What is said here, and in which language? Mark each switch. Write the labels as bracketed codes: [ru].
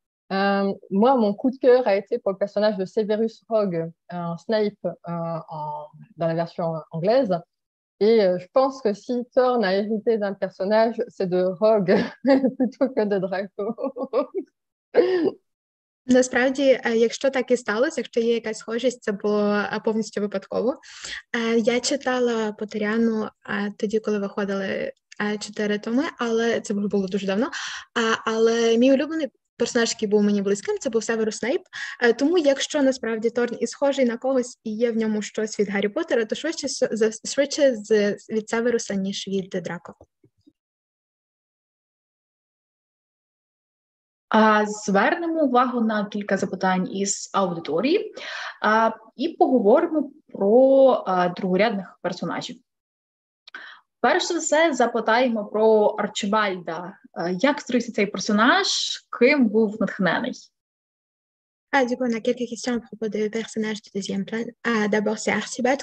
[fr] Moi, mon coup de cœur a été pour le personnage de Severus Rogue, Snape, dans la version anglaise. Et je pense que si Thorne a hérité d'un personnage, c'est de Rogue plutôt que de Draco. [uk] Насправді, якщо так і сталося, якщо є якась схожість, це було повністю випадково. Я читала Поттеріану тоді, коли виходили чотири томи, але це було дуже давно. Але мій улюблений персонаж, який був мені близьким, це був Северус Снейп. Тому, якщо насправді Торн і схожий на когось, і є в ньому щось від Гаррі Поттера, то швидше від Северуса, ніж від Драко. Звернемо увагу на кілька запитань із аудиторії і поговоримо про другорядних персонажів. Перш за все, запитаємо про Арчибальда. Як створився цей персонаж? Ким був натхнений? [fr] Du coup, on a quelques questions à propos du personnage du deuxième plan. D'abord, c'est Archibald.